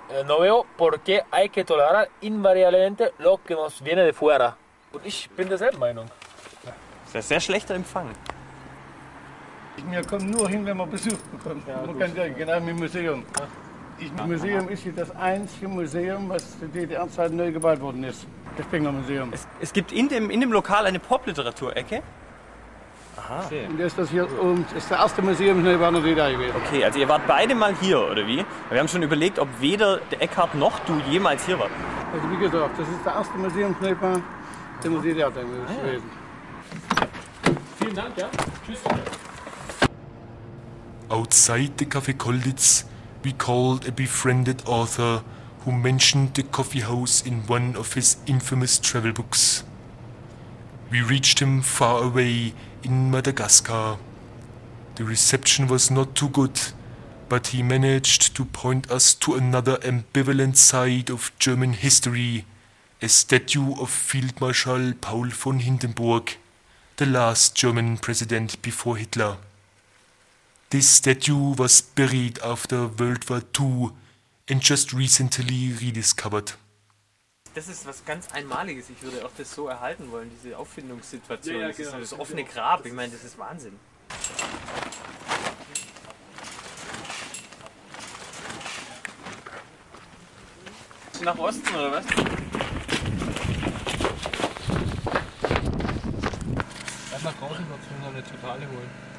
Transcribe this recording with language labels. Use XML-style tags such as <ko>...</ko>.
<es>No veo por qué hay que tolerar invariablemente lo que nos viene de fuera.</es> <de>Und ich bin derselben Meinung. Das ist ein sehr schlechter Empfang. Wir kommen nur hin, wenn wir Besuch bekommen. Ja, man kann ja genau im Museum. Museum ist hier das einzige Museum, was in der DDR-Zeit neu gebaut worden ist. Das Springer Museum. Es gibt in dem Lokal eine Popliteratur-Ecke. Aha. Okay. Und ist das hier und ist das erste Museum in der Bernadette gewesen. Okay, also ihr wart beide mal hier, oder wie? Wir haben schon überlegt, ob weder der Eckhardt noch du jemals hier wart. Also wie gesagt, das ist das erste Museum in der Bernadette gewesen. Vielen Dank, ja. Tschüss.</de> <en>Outside the Café Colditz, we called a befriended author who mentioned the coffee house in one of his infamous travel books. We reached him far away in Madagascar. The reception was not too good, but he managed to point us to another ambivalent side of German history, a statue of Field Marshal Paul von Hindenburg, the last German president before Hitler. This statue was buried after World War II and just recently rediscovered.</en> <de>Das ist was ganz Einmaliges. Ich würde auch das so erhalten wollen, diese Auffindungssituation. Ja, ja, das ist das offene Grab. Ich meine, das ist Wahnsinn. Nach Osten, oder was? Erstmal draußen noch eine totale holen.</de>